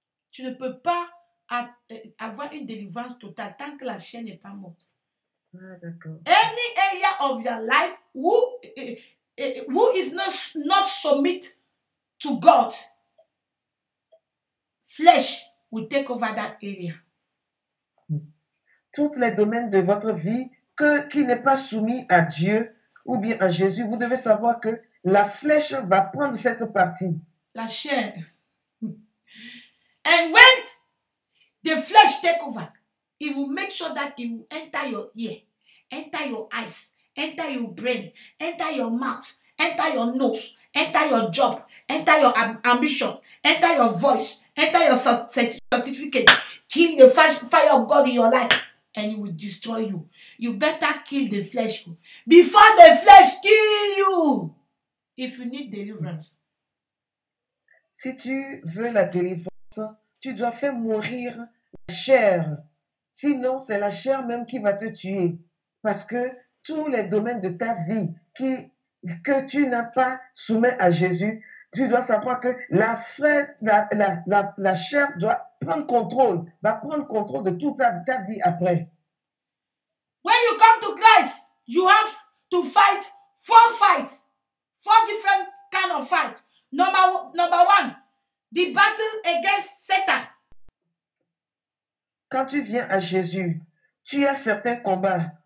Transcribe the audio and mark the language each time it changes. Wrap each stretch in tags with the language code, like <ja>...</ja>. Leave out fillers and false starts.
<fr>Tu ne peux pas avoir une délivrance totale tant que la chair n'est pas morte. Ah,</fr> <en>any area of your life who is not submit to God, flesh will take over that area.</en> <fr>Tous les domaines de votre vie qui n'est pas soumis à Dieu ou bien à Jésus, vous devez savoir que la flèche va prendre cette partie. La chair.</fr> <en>And when the flesh take over, it will make sure that it will enter your ear, enter your eyes, enter your brain, enter your mouth, enter your nose, enter your job, enter your ambition, enter your voice, enter your certificate, kill the fire of God in your life. And it will destroy you. You better kill the flesh before the flesh kill you. If you need deliverance.</en> <fr>Si tu veux la délivrance, tu dois faire mourir la chair. Sinon, c'est la chair même qui va te tuer. Parce que tous les domaines de ta vie que tu n'as pas soumis à Jésus, Tu dois savoir que la frère, la chair doit prendre contrôle, va prendre contrôle de toute ta vie après.</fr> <en>When you come to Christ, you have to fight four fights, four different kind of fight. Number one, the battle against Satan.</en> <fr>Quand tu viens à Jésus, tu as certains combats.</fr>